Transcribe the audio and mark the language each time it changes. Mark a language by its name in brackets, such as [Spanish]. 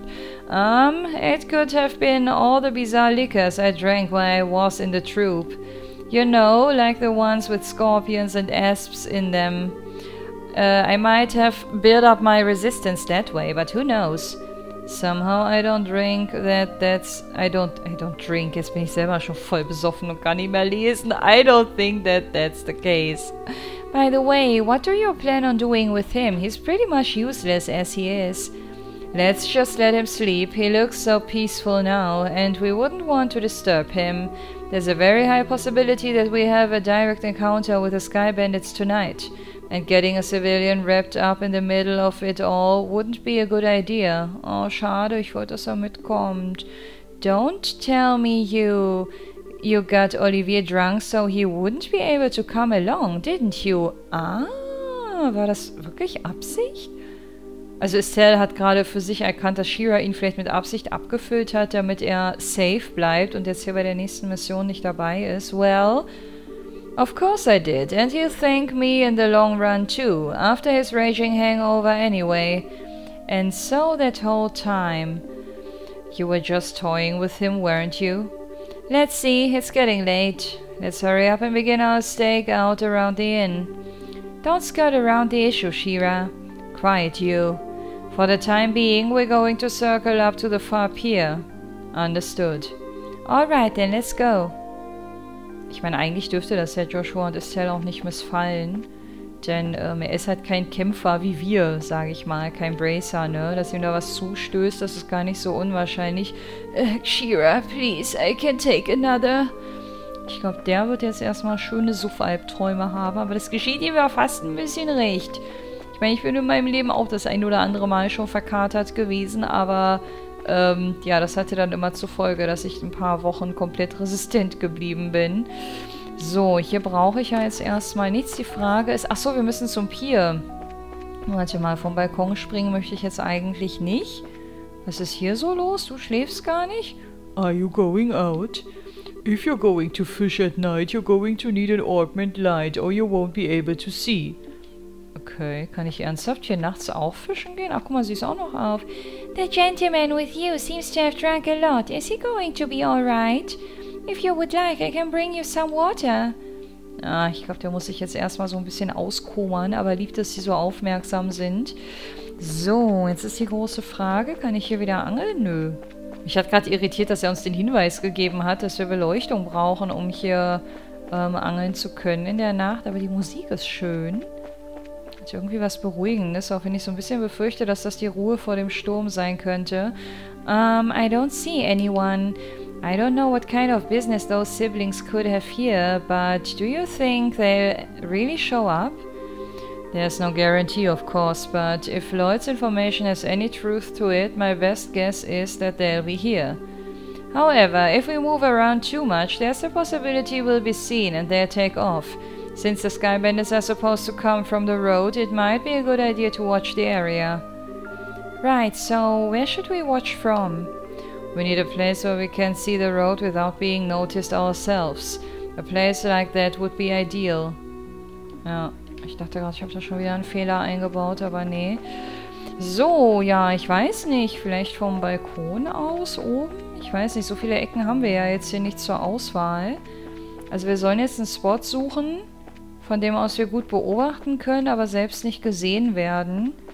[English] It could have been all the bizarre liquors I drank while I was in the troop. You know, like the ones with scorpions and asps in them. I might have built up my resistance that way, but who knows? Somehow I don't drink that, I don't drink. [German] Jetzt bin ich selber schon voll besoffen und kann nicht mehr lesen. [English] I don't think that that's the case. By the way, what do you plan on doing with him? He's pretty much useless as he is. Let's just let him sleep. He looks so peaceful now, and we wouldn't want to disturb him. There's a very high possibility that we have a direct encounter with the Sky Bandits tonight. And getting a civilian wrapped up in the middle of it all wouldn't be a good idea. [German] Oh, schade, ich wollte, dass er mitkommt. [English] Don't tell me you got Olivier drunk, so he wouldn't be able to come along, didn't you? [German] Ah, war das wirklich Absicht? Also Estelle hat gerade für sich erkannt, dass Shira ihn vielleicht mit Absicht abgefüllt hat, damit er safe bleibt und jetzt hier bei der nächsten Mission nicht dabei ist. [English] Well, Of course I did, and he'll thank me in the long run too, after his raging hangover anyway. And so that whole time, you were just toying with him, weren't you? Let's see, it's getting late. Let's hurry up and begin our stakeout around the inn. Don't skirt around the issue, She-Ra. Quiet, you. For the time being, we're going to circle up to the far pier. Understood. All right, then, let's go. [German] Ich meine, eigentlich dürfte das ja Joshua und Estelle auch nicht missfallen. Denn er ist halt kein Kämpfer wie wir, sage ich mal. Kein Bracer, ne? Dass ihm da was zustößt, das ist gar nicht so unwahrscheinlich. [English] She-Ra, please, I can take another. [German] Ich glaube, der wird jetzt erstmal schöne Suff-Albträume haben. Aber das geschieht ihm ja fast ein bisschen recht. Ich meine, ich bin in meinem Leben auch das ein oder andere Mal schon verkatert gewesen. Aber ja, das hatte dann immer zur Folge, dass ich ein paar Wochen komplett resistent geblieben bin. So, hier brauche ich ja jetzt erstmal nichts. Die Frage ist, achso, wir müssen zum Pier. Warte mal, vom Balkon springen möchte ich jetzt eigentlich nicht. Was ist hier so los? Du schläfst gar nicht? [English] Are you going out? If you're going to fish at night, you're going to need an augment light or you won't be able to see. [German] Okay, kann ich ernsthaft hier nachts auch fischen gehen? Ach, guck mal, sie ist auch noch auf. [English] The gentleman with you seems to have drunk a lot. Is he going to be alright? If you would like, I can bring you some water. [German] Ah, ich glaube, der muss sich jetzt erstmal so ein bisschen auskummern, aber lieb, dass sie so aufmerksam sind. So, jetzt ist die große Frage, kann ich hier wieder angeln? Nö. Mich hat gerade irritiert, dass er uns den Hinweis gegeben hat, dass wir Beleuchtung brauchen, um hier angeln zu können in der Nacht. Aber die Musik ist schön. Hat irgendwie was Beruhigendes, auch wenn ich so ein bisschen befürchte, dass das die Ruhe vor dem Sturm sein könnte. [English] I don't see anyone. I don't know what kind of business those siblings could have here, but do you think they'll really show up? There's no guarantee, of course, but if Lloyd's information has any truth to it, my best guess is that they'll be here. However, if we move around too much, there's a possibility we'll be seen and they'll take off. Since the Skybenders are supposed to come from the road, it might be a good idea to watch the area. Right, so where should we watch from? We need a place where we can see the road without being noticed ourselves. A place like that would be ideal. [German] Ja, ich dachte gerade, ich habe da schon wieder einen Fehler eingebaut, aber nee. So, ja, ich weiß nicht, vielleicht vom Balkon aus oben? Ich weiß nicht, so viele Ecken haben wir ja jetzt hier nicht zur Auswahl. Also wir sollen jetzt einen Spot suchen, von dem aus wir gut beobachten können, aber selbst nicht gesehen werden.